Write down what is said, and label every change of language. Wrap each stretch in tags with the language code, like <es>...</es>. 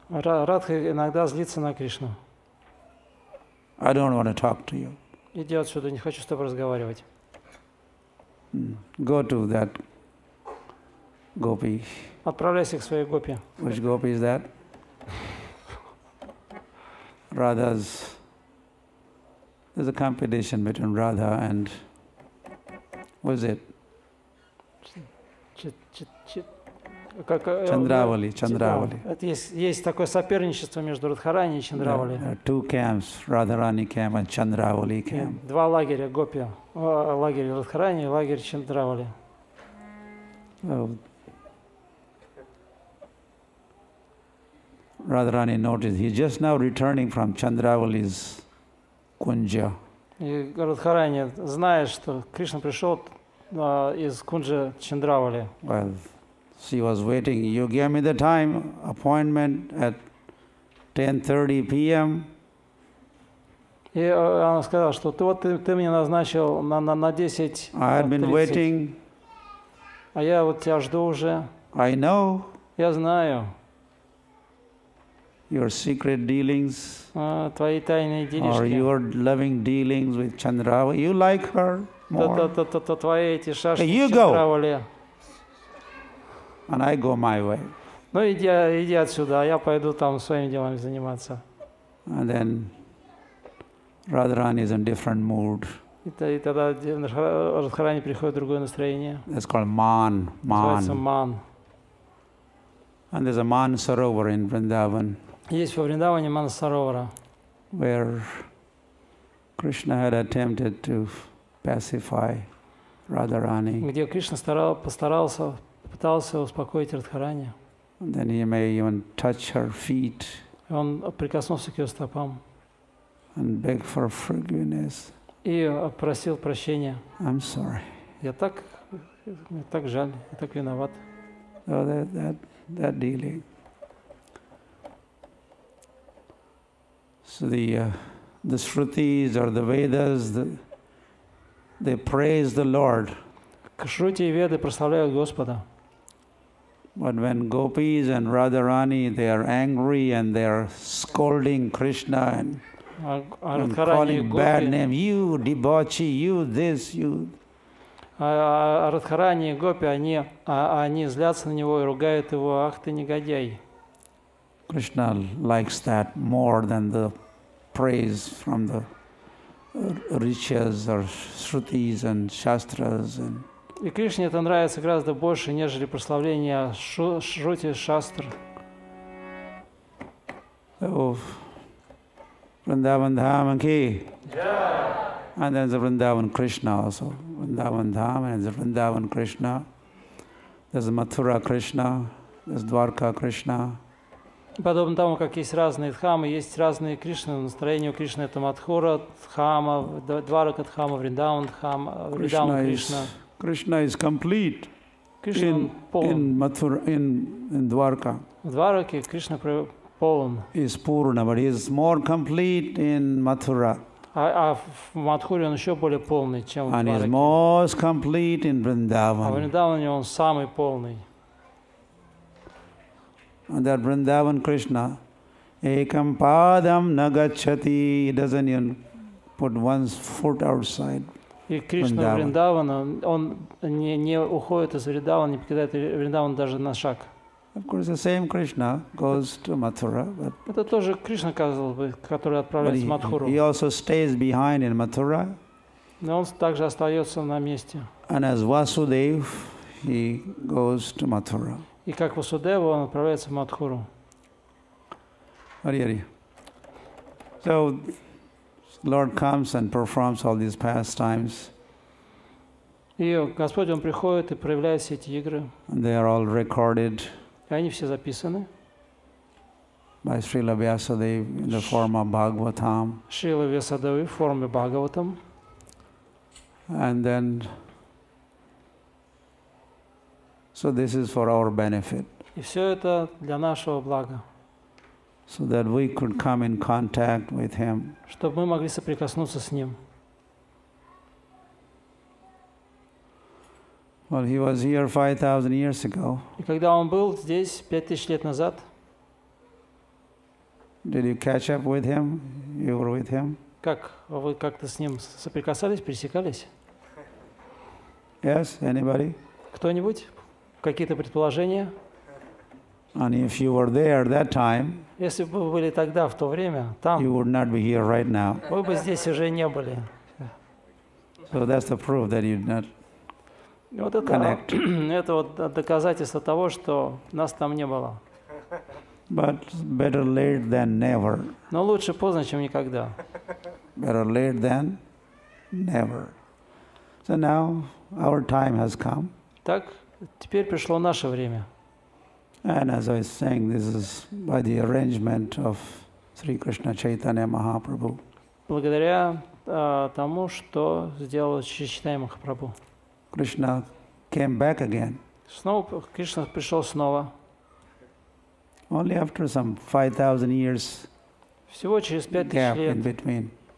<ru>Радха иногда злится на Кришну.</ru> <en>I don't want to talk to you.</en> <ru>Иди отсюда, не хочу с тобой разговаривать.</ru> <en>Go to that gopi.</en> <ru>Отправляйся к своей гопи.</ru> <en>Which gopi is that? Radha's, there's a competition between Radha and what is it? Chandravali.</en> <ru>Есть такое соперничество между Радхарани и Чандравали.</ru> <en>There are two camps, Radharani camp and Chandravali camp.</en> <ru>Два лагеря, гопи, лагерь Радхарани и лагерь Чандравали.</ru> <en>Radharani noticed he just now returning from Chandravali's kunja.</en> <ru>И Радхарани знает, что Кришна пришел из кунджа Чандравали.</ru> <en>Well, she was waiting. You gave me the time appointment at 10:30 p.m.</en> <ru>И она сказала, что вот ты мне назначил на 10:30.</ru> <en>I had been waiting.</en> <ru>А я вот тебя жду уже.</ru> <en>I know.</en> <ru>Я знаю.</ru> <en>Your secret dealings,</en> <ru>твои тайные делишки.</ru> <en>Or your loving dealings with Chandravali, you like her more.</en> <ru>Твои эти шашки с Чандравали.</ru> <en>And I go my way.</en> <ru>Ну иди отсюда, а я пойду там своими делами заниматься.</ru> <en>And then Radharani is in different mood.</en> <ru>И тогда Радхарани приходит другое настроение.</ru> <en>It's called man.</en> <ru>Называется man.</ru> <en>And there's a Mansarovar in Vrindavan.</en> <ru>Есть во Вриндаване Мансаровара.</ru> <en>Where Krishna had attempted to pacify Radharani.</en> <ru>Где Кришна пытался успокоить Радхарани.</ru> <en>And then he may even touch her feet.</en> <ru>Он прикоснулся к ее стопам.</ru> <en>And beg for forgiveness.</en> <ru>И просил прощения.</ru> <en>I'm sorry.</en> <ru>Я так жаль, я так виноват.</ru> <en>So that dealing. So the Shrutis or the Vedas, they praise the Lord.</en> <ru>Шрути и Веды прославляют Господа.</ru> <en>But when gopis and Radharani, they are angry and they are scolding Krishna and calling bad name, you debauchee, you this, you.</en> <ru>А Радхарани и Гопи, они злятся на него и ругают его, ах ты негодяй.</ru> <en>Кришна likes that more than the praise from the rishis or shrutis and shastras.</en> <ru>И Кришне это нравится гораздо больше, нежели прославление шрути и шастр.</ru> <en>Вриндаван дхам ки. And then the Vrindavan Krishna also. Vrindavan Dham and the Vrindavan Krishna. There's Mathura Krishna, there's Dwarka Krishna.</en> <ru>Подобно тому, как есть разные дхамы, есть разные Кришны. Настроение у Кришны это Матхура Дхама, Дварака Дхама, Вриндаван Дхама, Вриндаван Кришна.</ru> <en>Krishna is complete in Mathura, in Dwarka.</en> <ru>В Двараке Кришна полон.</ru> <en>Is Purna, but he is more complete in Mathura.</en> <ru>А в Матхуре он еще более полный, чем в Двараке.</ru> <en>And he is most complete in Vrindavan.</en> <ru>А в Вриндаване он самый полный.</ru> <en>And that Vrindavan Krishna,</en> <sa>ekam padam nagachati,</sa> <en>he doesn't even put one's foot outside.</en> <ru>И Кришна Вриндавана, он не уходит из Вриндавана, не покидает Вриндавана даже на шаг.</ru> <en>Of course, the same Krishna goes to Mathura. But</en> <ru>это тоже Кришна, казалось бы, который отправляется в Матхуру.</ru> <en>He also stays behind in Mathura.</en> <ru>Но он также остается на месте.</ru> <en>And as Vasudev, he goes to Mathura.</en> <ru>И как Васудева, он отправляется в Матхуру.</ru> <en>Hari. So Lord comes and performs all these pastimes.</en> <ru>И Господь, он приходит и проявляет все эти игры.</ru> <en>And they are all recorded.</en> <ru>И они все записаны.</ru> <en>By Srila Vyasadeva in the form of Bhagavatam.</en> <ru>Шрила Вьясадева в форме Бхагаватам.</ru> <en>And then, so this is for our benefit.</en> <ru>И все это для нашего блага.</ru> <en>So that we could come in contact with him.</en> <ru>Чтобы мы могли соприкоснуться с ним.</ru> <en>Well, he was here 5,000 years ago.</en> <ru>И когда он был здесь 5,000 лет назад?</ru> <en>Did you catch up with him? You were with him?</en> <ru>Как вы как-то с ним соприкасались, пересекались?</ru> <en>Yes, anybody?</en> <ru>Кто-нибудь? Какие-то предположения?</ru> <en>And if you were there that time,</en> <ru>если бы вы были тогда, в то время, там,</ru> <en>you would not be here right now.</en> <ru>Вы бы здесь уже не были.</ru> <en>So that's the proof that you did not connect.</en> <ru>Это вот доказательство того, что нас там не было.</ru> <en>But better late than never.</en> <ru>Но лучше поздно, чем никогда.</ru> <en>Better late than never. So now our time has come.</en> <ru>Так, теперь пришло наше время.</ru> <en>And as I was saying, this is by the arrangement of Sri Krishna Chaitanya Mahaprabhu.</en> <ru>Благодаря тому, что сделал Шри Чайтанья Махапрабху.</ru> <en>Krishna came back again.</en> <ru>Снова Кришна пришел снова.</ru> <en>Only after some 5,000 years.</en> <ru>Всего через 5,000 лет.</ru> <en>Gap in between.</en>